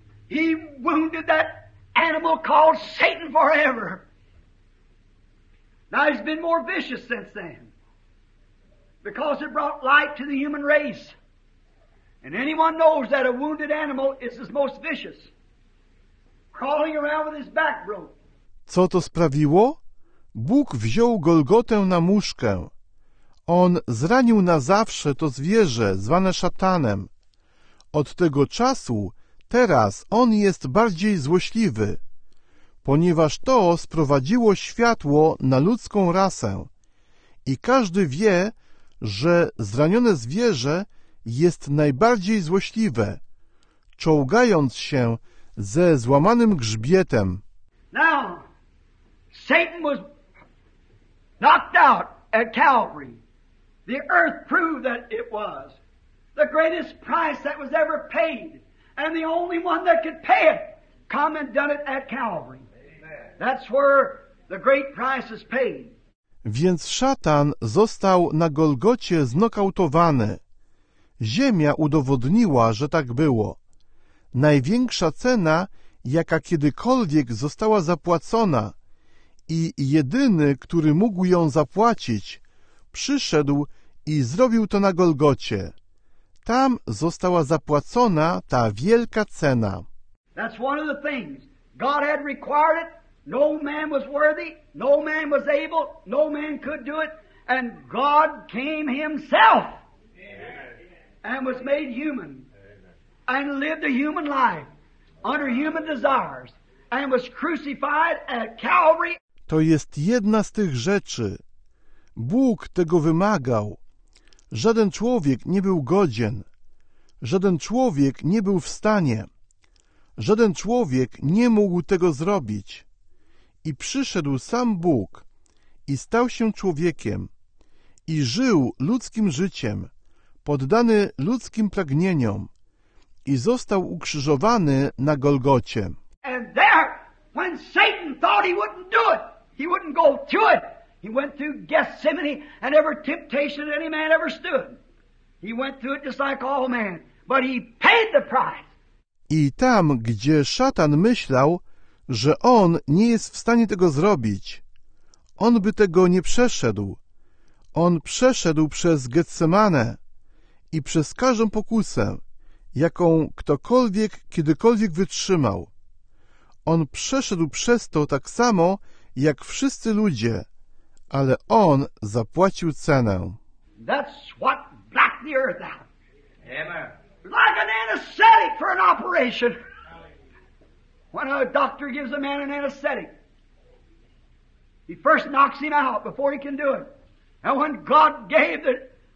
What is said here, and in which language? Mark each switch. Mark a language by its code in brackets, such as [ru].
[en] He wounded that animal called Satan forever. Now he's been more vicious since then, because it brought light to the human race. And anyone knows that a wounded animal is his most vicious, crawling around with his back broke. [pl] Co to sprawiło? Bóg wziął Golgotę na muszkę. On zranił na zawsze to zwierzę zwane szatanem. Od tego czasu teraz on jest bardziej złośliwy, ponieważ to sprowadziło światło na ludzką rasę. I każdy wie, że zranione zwierzę jest najbardziej złośliwe, czołgając się ze złamanym grzbietem. [en] Now, Satan was knocked out at Calvary. The earth proved that it was the greatest price that was ever paid. And the only one that could pay it come and done it at Calvary. Amen. That's where the great price is paid. [pl] Więc szatan został na Golgocie znokautowany. Ziemia udowodniła, że tak było. Największa cena, jaka kiedykolwiek została zapłacona, i jedyny, który mógł ją zapłacić, przyszedł i zrobił to na Golgocie. Tam została zapłacona ta wielka cena. [en] That's one of the things. God had required it. No man was worthy. No man was able. No man could do it. And God came himself. Amen. And was made human. Amen. And lived a human life under human desires. And was crucified at Calvary. [pl] To jest jedna z tych rzeczy. Bóg tego wymagał. Żaden człowiek nie był godzien. Żaden człowiek nie był w stanie. Żaden człowiek nie mógł tego zrobić. I przyszedł sam Bóg i stał się człowiekiem i żył ludzkim życiem, poddany ludzkim pragnieniom i został ukrzyżowany na Golgocie. [en] And there, when Satan thought he wouldn't do it, he wouldn't go through it. He went through Gethsemane and every temptation any man ever stood. He went through it just like all men. But he paid the price. [pl] I tam, gdzie szatan myślał, że on nie jest w stanie tego zrobić, on by tego nie przeszedł. On przeszedł przez Getsemane i przez każdą pokusę, jaką ktokolwiek kiedykolwiek wytrzymał. On przeszedł przez to tak samo, jak wszyscy ludzie, ale on zapłacił cenę. [en] That's what blacked the earth out. Amen. Like an anesthetic for an operation. When a doctor gives a man an anesthetic, he first knocks him out before he can do it. And when God gave the